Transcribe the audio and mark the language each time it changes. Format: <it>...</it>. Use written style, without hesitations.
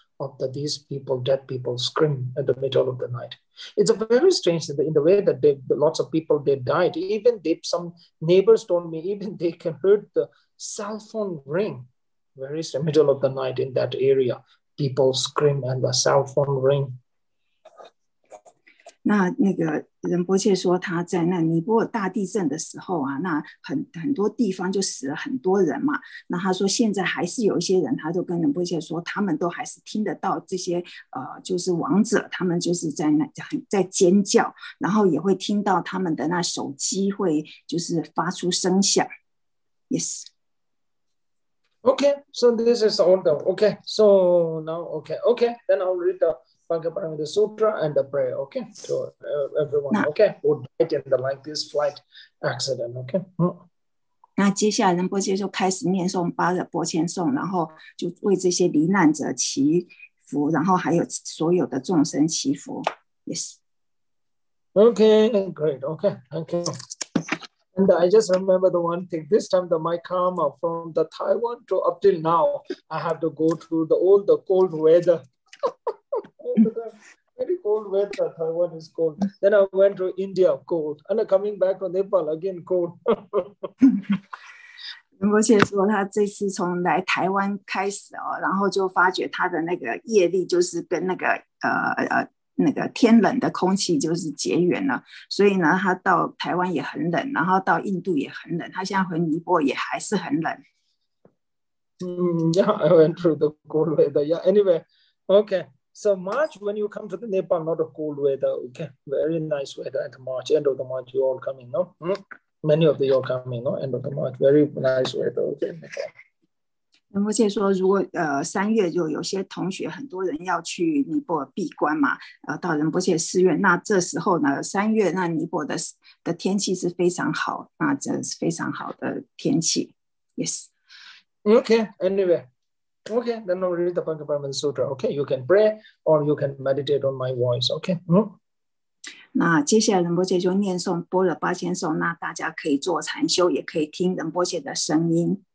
<en>Of the, these people, dead people scream in the middle of the night. It's a very strange thing in the way that they, lots of people they died. Even they, some neighbors told me, even they can hear the cell phone ring. Very strange, middle of the night in that area. People scream and the cell phone ring.</en> <zh>那个仁波切说他在那尼泊尔大地震的时候啊，那很多地方就死了很多人嘛。那他说现在还是有一些人，他就跟仁波切说，他们都还是听得到这些就是亡者，他们就是在那在尖叫，然后也会听到他们的那手机会就是发出声响。</zh> <en>Yes. Okay. So this is all the okay. So now okay. Okay. Then I'll read the. The sutra and the prayer, okay, to everyone, okay, who died in the like this flight accident, okay.、</en> <zh>那接下来仁波切就开始念诵八热波千颂，然后就为这些罹难者祈福，然后还有所有的众生祈福。</zh> <en>Yes. Okay, great. Okay, thank you. And I just remember the one thing. This time, the my karma from the Taiwan to up till now, I have to go through all the cold weather. Very cold weather, Taiwan is cold. Then I went to India, cold. And coming back to Nepal, again, cold.</en> <zh>仁波切说，他这次从来台湾开始哦，然后就发觉他的那个业力就是跟那个那个天冷的空气就是结缘了，所以呢，他到台湾也很冷，然后到印度也很冷，他现在回尼泊尔也还是很冷。</zh> <en>Yeah, I went through the cold weather. Yeah, anyway, okay. So March, when you come to the Nepal, not a cold weather. Okay, very nice weather at March, end of the March, you all coming, no? Mm-hmm. Many of you all coming, no? End of the March, very nice weather. Okay.</en> <zh>仁波切说，如果三月就有些同学很多人要去尼泊尔闭关嘛，到仁波切寺院，那这时候呢，三月那尼泊尔的天气是非常好，那这是非常好的天气。</zh> <en>Yes. Okay. Anyway. Okay. Then I'll read the Bhagavad Sutra. Okay. You can pray or you can meditate on my voice. Okay.</en> <zh>那接下来仁波切就念诵般若八千颂，那大家可以做禅修，也可以听仁波切的声音。</zh>